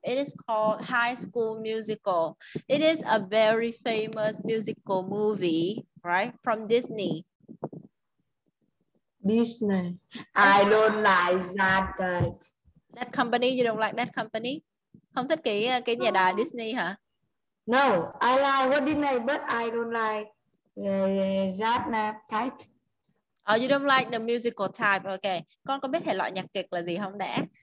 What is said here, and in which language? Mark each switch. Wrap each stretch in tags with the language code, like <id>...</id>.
<en>It is called High School Musical. It is a very famous musical movie, right? From Disney. Disney. I don't like that type. That company. You don't like that company.</en> <vi>Không thích cái nhà đài Disney hả?</vi> <en>No, I like what Disney, but I don't like that type. Oh, you don't like the musical type, okay.</en> <vi>Con có biết thể loại nhạc kịch là gì không đã?</vi>